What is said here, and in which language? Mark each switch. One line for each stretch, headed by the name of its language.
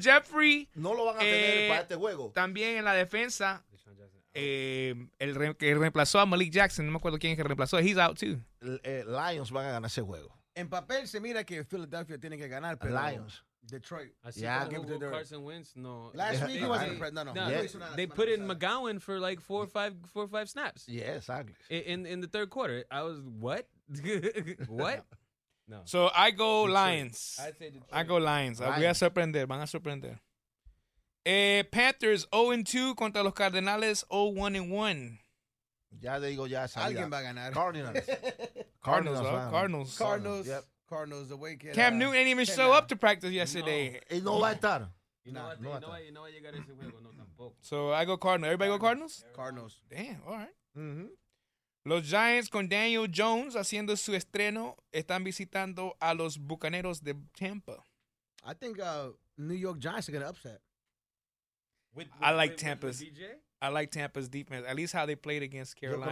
Spanish: Jeffrey. No lo van a tener para este juego. También en la defensa. El reemplazó a Malik Jackson. No me acuerdo quién es que reemplazó.
English: He's out too.
Spanish: Lions van a ganar ese juego. En papel se mira que Philadelphia tiene que ganar, pero. Lions. Detroit.
English: I see Carson Wentz. No. Last week he wasn't impressed. No. Yeah. They put in McGowan for like four or five snaps. Yeah, exactly. In the third quarter. I was, what? What? No. So I go Detroit. Lions. I go Lions.
Spanish: Voy a sorprender. Van a sorprender. Panthers 0-2 contra los Cardenales 0-1-1. Ya le digo ya. Salida. Alguien va a ganar.
English: Cardinals. Yep. Cardinals, the way can, Cam Newton didn't even show up to practice yesterday.
Spanish: No. No va a estar.
English: So I go Cardinals. Everybody go Cardinals? Cardinals. Damn, all right. Mm-hmm.
Spanish: Los Giants con Daniel Jones haciendo su estreno están visitando a los Bucaneros de Tampa.
English: I think New York Giants are going to upset. I like Tampa's defense, at least how they played against Carolina.